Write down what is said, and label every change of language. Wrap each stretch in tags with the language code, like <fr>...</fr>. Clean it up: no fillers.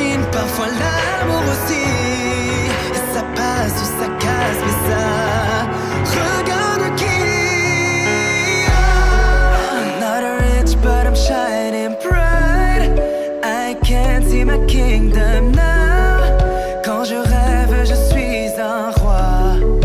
<fr>Parfois l'amour aussi, ça passe ou ça casse, mais ça regarde qui.</fr> <en>Oh, I'm not rich, but I'm shining bright. I can't see my kingdom now.</en> <fr>Quand je rêve, je suis un roi.</fr>